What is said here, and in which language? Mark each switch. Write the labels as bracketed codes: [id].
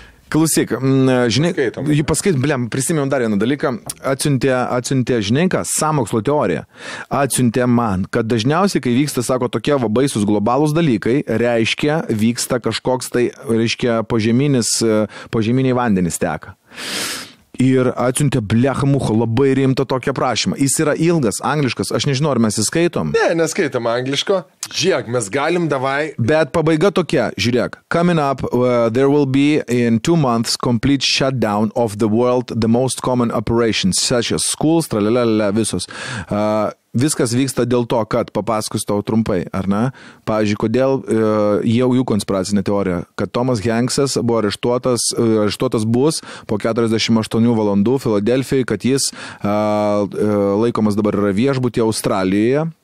[lt] Klausyk, žinai, jį paskaitom, blem, prisimėjom dar vieną dalyką, atsiuntė žinai ką, sąmokslo teoriją, atsiuntė man, kad dažniausiai, kai vyksta, sako, tokie va baisus globalus dalykai, reiškia, vyksta kažkoks tai, reiškia, požeminiai vandenis teka. Ir atsiuntė blecha mucha, labai rimta tokia prašymą. Jis yra ilgas, angliškas, aš nežinau, ar mes jį skaitom. Ne, neskaitom angliško. Žiūrėk, mes galim, davai. Bet pabaiga tokia, žiūrėk. [en] Coming up, there will be in 2 months complete shutdown of the world, the most common operations, such as schools, tralelelele, visos. [lt] Viskas vyksta dėl to, kad papasakus tau trumpai, ar ne? Pavyzdžiui, kodėl jau jų konspiracinė teorija, kad Thomas Hanksas buvo areštuotas, areštuotas bus po 48 valandų Filadelfijoje, kad jis laikomas dabar yra viešbutyje Australijoje.